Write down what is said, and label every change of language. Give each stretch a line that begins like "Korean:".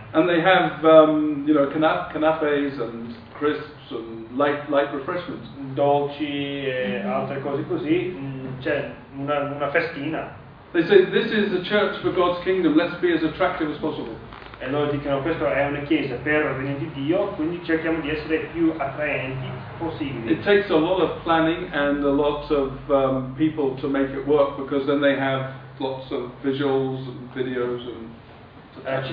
English: And they have canapes and crisps and light refreshments.
Italian: Dolci e altre cose così. C'è una festina.
English: They say this is a church for God's kingdom. Let's be as attractive as possible.
Italian: E loro dicono questa è una chiesa per il regno di Dio, quindi cerchiamo di essere più attraenti possibile.
English: It takes a lot of planning and a lot of people to make it work, because then they have lots of visuals and videos and